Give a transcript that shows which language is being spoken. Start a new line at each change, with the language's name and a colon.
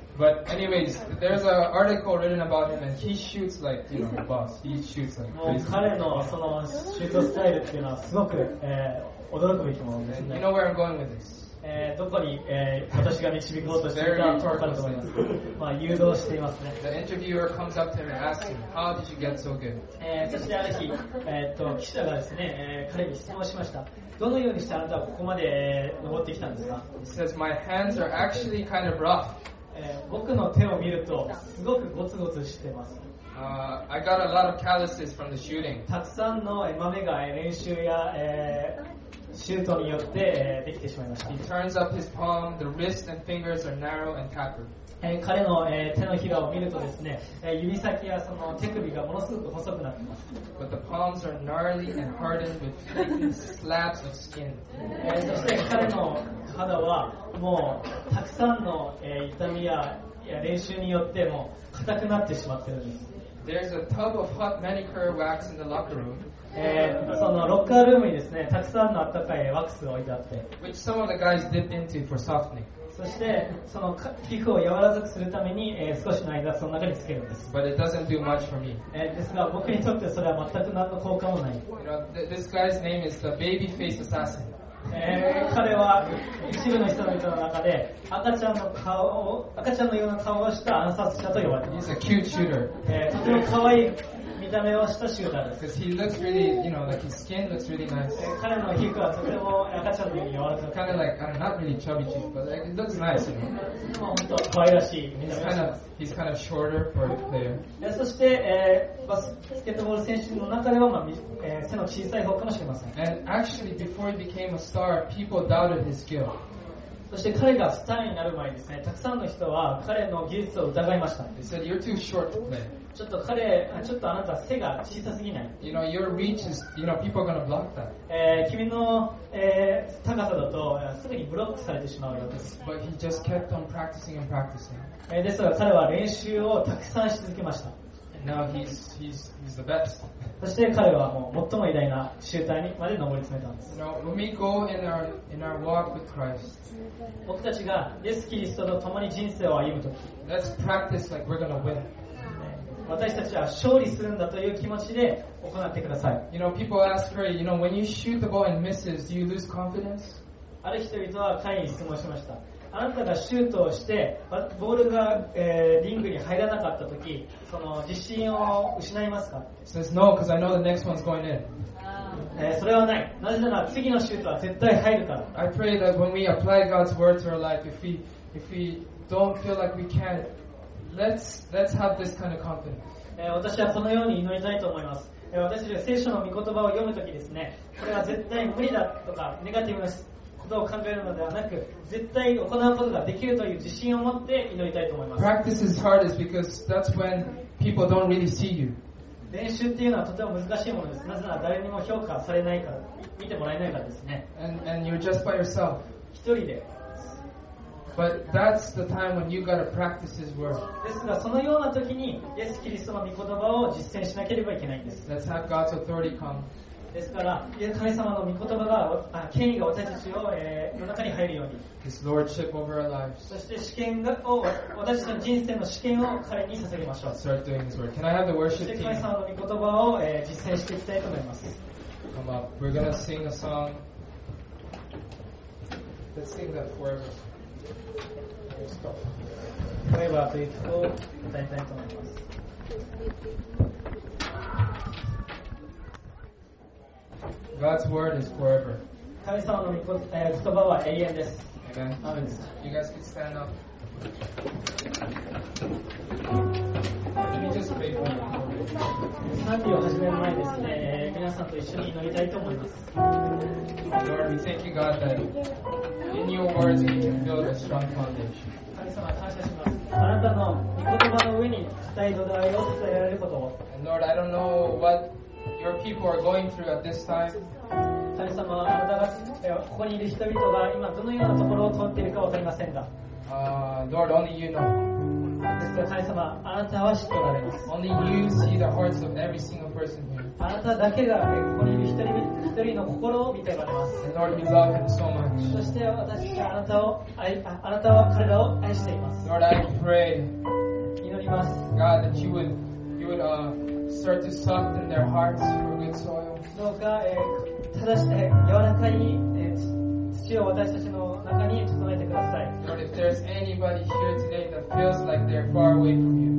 English: But anyways, there's an article written about him, and he shoots like, you know, the boss. He shoots like.
Japanese: もう彼のそのシュートスタイルっていうのはすごく、驚くべきものですね。
English: You know where I'm going with this.
Japanese: どこに、私が導こうとしているか分かると思います。まあ誘導していますね。
English: The interviewer comes up to him and asks him, How did you get so good?
Japanese: そしてある日、記者がですね、彼に質問しました。どのようにしてあなたはここまで、登ってきたんですか。
English: He says, My hands are actually kind of rough.
Japanese: 僕の手を見るとすごくゴツゴツしてます。
English: I got a lot of calluses from the shooting.
Japanese: たくさんの豆が練習や、シュートによって、できてしまいました。
English: He turns up his palm. The wrist and fingers are narrow and tapered.
Japanese: 彼の、手のひらを見るとですね、指先やその手首がものすごく細くなっています。
English: But the palms are gnarly and hardened with thick slabs of skin.
Japanese: そして彼の肌はもうたくさんの、痛みや、練習によってもう硬くなってしまっているんです。
English: There's a tub of hot manicure wax in the locker room.
Japanese: そのロッカールームにですね、たくさんの温かいワックスを置いてあって、
English: which some of the guys dipped into for softening.
Japanese: そしてその皮膚を柔らかくするために、少しの間その中につけるんです。
English: But it doesn't do much for me.
Japanese: ですが僕にとってそれは全く何の効果もない。
English: You know, this guy's name is the baby face assassin.
Japanese: 彼は一部の人々の中で赤ちゃんのような顔をした暗殺者と呼ばれています。
English: He's a cute shooter.
Japanese: とても可愛い見た目をしたシューターです。
English: Because he looks really, you know, like his skin looks really nice.
Japanese: 彼の皮膚はとても赤ちゃんのように柔らかく。
English: Kind of like, I'm not really chubby cheeks, but like, it looks nice, you know.
Japanese: 本当可愛らしい見た目をします。
English: He's kind of shorter for a player.
Japanese: そして、バスケットボール選手の中では、背の小さい方かもしれません。
English: And actually, before he became a star, people doubted his skill.
Japanese: そして彼がスターになる前にですね、たくさんの人は彼の技術を疑いました。
English: They said, you're too short to play.
Japanese: ちょっと彼、ちょっとあなた背が小さすぎない。
English: You know, your reach is, you know, people are gonna block that.
Japanese: 君の、高さだとすぐにブロックされてしまうよ。
English: But he just kept on practicing and practicing.
Japanese: ですが彼は練習をたくさんし続けました。
English: Now he's the best.
Japanese: そして彼はもう最も偉大なシューターにまで上り詰めたんです。
English: You know, when we go in our walk with Christ,
Japanese: 僕たちがイエス・キリストと共に人生を歩むとき、
English: Let's practice like we're gonna win.
Japanese: 私たちは勝利するんだという気持ちで行ってください。
English: You know, people ask her, you know, when you shoot the ball and misses, do you lose confidence?
Japanese: ある人々は彼に質問しました。あなたがシュートをして、ボールが、リングに入らなかったとき、その自信を失いますか?
English: Says no, because I know the next one's going in.
Japanese: それはない。なぜなら次のシュートは絶対入るから。
English: I pray that when we apply God's word to our life, if we don't feel like we can't,Let's have this kind of confidence.
Japanese: 私はこのように祈りたいと思います。私は聖書の御言葉を読むときですね、これは絶対無理だとかネガティブなことを考えるのではなく、絶対行うことができるという自信を持って祈りたいと思います。
English: Practice is hardest because that's when people don't really see you.
Japanese: 練習っていうのはとても難しいものです。なぜなら誰にも評価されないから、見てもらえないからですね。
English: And you're just by yourself.
Japanese: 一人で。
English: But that's the time when you gotta practice His word.
Japanese: ですがそのような時にイエス・キリストの御言葉を実践しなければいけないんです。
English: Let's have God's authority come.
Japanese: ですから神様の御言葉が権威が私たちを、世の中に入るように。
English: His lordship over our lives.
Japanese: そして試験を私たちの人生の試験を彼に捧げましょう。
English: Start doing His word. Can I have the worship team?
Japanese: そして神様の御言葉を、実践していきたいと思います。
English: Come up. We're gonna sing a song. Let's sing that forever.
Japanese: Forever という曲を歌いたいと思います。
English: God's word is forever.
Japanese: 神様の言葉は永遠です。
English: Amen. Amen. You guys can stand up. Let me just pray for you.
Japanese: 賛美を始める前ですね、皆さんと一緒に祈りたいと思います。
English: Lord, we thank you, God, that in your words you can build a strong foundation.
Japanese: 神様、感謝します。あなたの御言葉の上に固い土台を伝えられることを。
English: And Lord, I don't know what your people are going through at this time.
Japanese: 神様、あなたがここにいる人々が今どのようなところを通っているかわかりませんが。
English: Lord, only you know.
Japanese: ですが神様、あなたは知っておられます。
English: Only you see the hearts of every single person here.
Japanese: あなただけがここにいる一人の心を見ておられます。
English: And Lord, we love him so much.
Japanese: そして私はあなたは彼らを愛しています。
English: Lord, I pray.
Japanese: 祈ります。
English: God, that you would start to soften their hearts for good soil.
Japanese: どうか、正して柔らかい、土を私たちの中に整えてください。
English: Lord, if there's anybody here today that feels like they're far away from you,